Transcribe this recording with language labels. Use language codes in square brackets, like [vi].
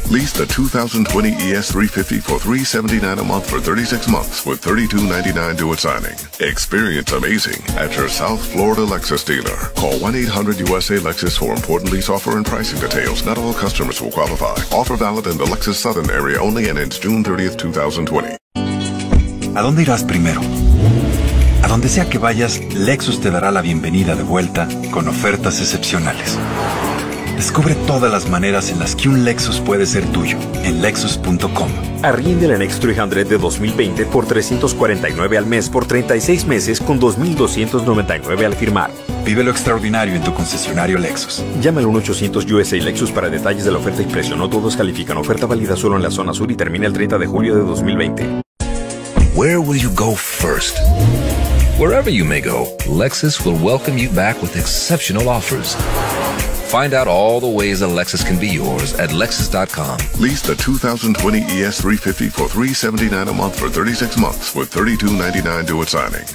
[en] Lease the 2020 ES350 for $379 a month for 36 months with $32.99 due at signing. Experience amazing at your South Florida Lexus dealer. Call 1-800-USA-LEXUS for important lease offer and pricing details. Not all customers will qualify. Offer valid in the Lexus Southern area only and ends June 30th, 2020. [es] ¿A dónde irás primero? A donde sea que vayas, Lexus te dará la bienvenida de vuelta con ofertas excepcionales. Descubre todas las maneras en las que un Lexus puede ser tuyo en Lexus.com. Arriende la NX 300 de 2020 por $349 al mes por 36 meses con $2,299 al firmar. Vive lo extraordinario en tu concesionario Lexus. Llama al 1-800-USA-LEXUS para detalles de la oferta y precio. No todos califican. Oferta válida solo en la zona sur y termina el 30 de julio de 2020. [en] Where will you go first? Wherever you may go, Lexus will welcome you back with exceptional offers. Find out all the ways a Lexus can be yours at Lexus.com. Lease the 2020 ES350 for $379 a month for 36 months with $3,299 due at signing.